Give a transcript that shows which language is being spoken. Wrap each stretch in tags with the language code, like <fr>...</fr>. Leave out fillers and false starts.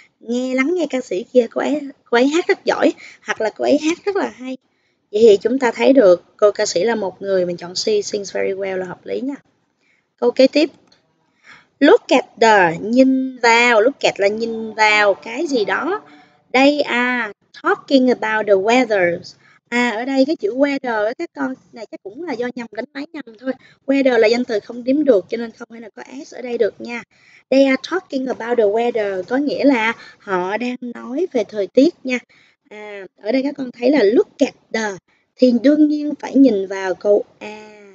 <vi>Nghe lắng nghe ca sĩ kia, cô ấy hát rất giỏi, hoặc là cô ấy hát rất là hay. Vậy thì chúng ta thấy được cô ca sĩ là một người, mình chọn C,</vi> <en>sings very well</en> <vi>là hợp lý nha. Câu kế tiếp.</vi> <en>Look at the,</en> <vi>nhìn vào,</vi> <en>look at</en> <vi>là nhìn vào cái gì đó.</vi> <en>They are talking about the weather.</en> <vi>À, ở đây cái chữ weather với các con này chắc cũng là do nhầm, đánh máy nhầm thôi. Weather là danh từ không đếm được, cho nên không phải là có S ở đây được nha.</vi> <en>They are talking about the weather,</en> <vi>có nghĩa là họ đang nói về thời tiết nha. À, ở đây các con thấy là</vi> <en>look at the</en> <vi>thì đương nhiên phải nhìn vào câu A.</vi>